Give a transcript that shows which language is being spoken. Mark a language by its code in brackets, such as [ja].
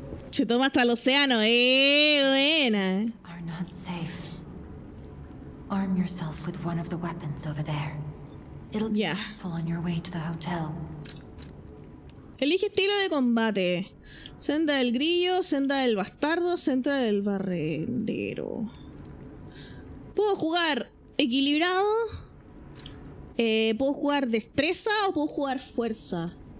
[es] Se toma hasta el océano, buena. [en] Are not safe. Arm yourself with one of the weapons over there. It'll be helpful on your way to the hotel. [es] Elige estilo de combate. Senda del grillo, senda del bastardo, senda del barrendero. Puedo jugar equilibrado. Puedo jugar destreza o puedo jugar fuerza.